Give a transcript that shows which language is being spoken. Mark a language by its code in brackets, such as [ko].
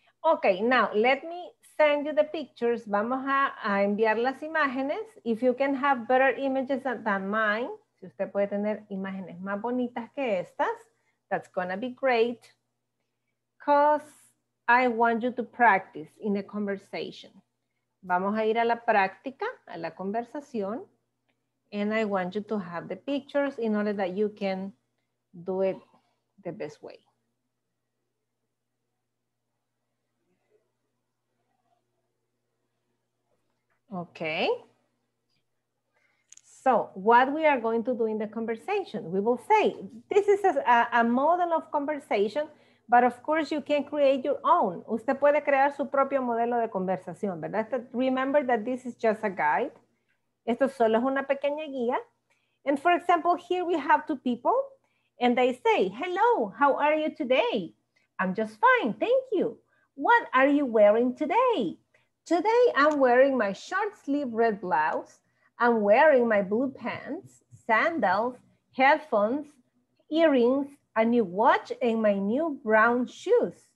[en] Ok, now, let me send you the pictures. [es] Vamos a enviar las imágenes. [en] If you can have better images than mine, [es] si usted puede tener imágenes más bonitas que estas, [en] that's gonna be great. Because I want you to practice in a conversation. [es] Vamos a ir a la práctica, a la conversación. [en] And I want you to have the pictures in order that you can do it the best way. Okay. So what we are going to do in the conversation, we will say, this is a model of conversation, but of course you can create your own. [es] Usted puede crear su propio modelo de conversación, ¿verdad? [en] Remember that this is just a guide. [es] Esto solo es una pequeña guía. [en] And for example, here we have two people and they say, hello, how are you today? I'm just fine, thank you. What are you wearing today? Today I'm wearing my short sleeve red blouse. I'm wearing my blue pants, sandals, headphones, earrings, a new watch and my new brown shoes.